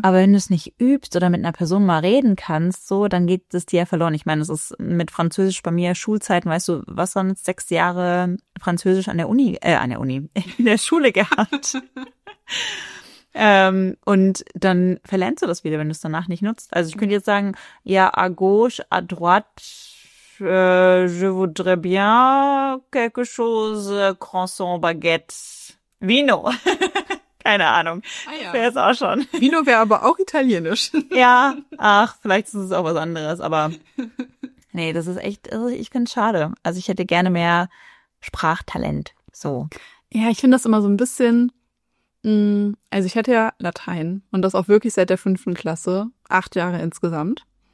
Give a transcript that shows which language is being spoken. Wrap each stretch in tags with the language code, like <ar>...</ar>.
<de>Aber wenn du es nicht übst oder mit einer Person mal reden kannst, so, dann geht es dir ja verloren. Ich meine, es ist mit Französisch bei mir Schulzeiten, weißt du, was sonst 6 Jahre Französisch in der Schule gehabt. und dann verlernst du das wieder, wenn du es danach nicht nutzt. Also ich könnte jetzt sagen, ja,</de> <fr>à gauche, à droite, je voudrais bien quelque chose, croissant, baguette, vino.</fr> <de>Keine Ahnung, Wäre es auch schon. Vino wäre aber auch italienisch. Ja, ach, vielleicht ist es auch was anderes, aber nee, das ist echt, ich finde es schade. Also ich hätte gerne mehr Sprachtalent, so. Ja, ich finde das immer so ein bisschen... Also ich hatte ja Latein und das auch wirklich seit der 5. Klasse, 8 Jahre insgesamt.</de>